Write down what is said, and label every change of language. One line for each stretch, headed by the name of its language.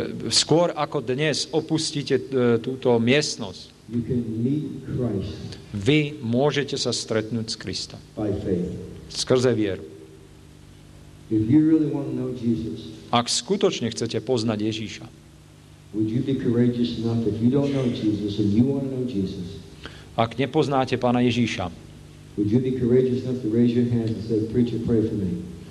Slovak: Skôr ako dnes opustíte túto miestnosť.
English: You can meet Christ.
Slovak: Vy môžete sa stretnúť s Kristom.
English: By faith.
Slovak: Skrze vieru.
English: If you really want to know Jesus.
Slovak: Ak skutočne chcete poznať Ježiša.
English: Would you be courageous enough if you don't know Jesus and you want to know Jesus?
Slovak: Ak nepoznáte Pána Ježiša.
English: Would you be courageous enough to raise your hand and say, preacher, pray for me?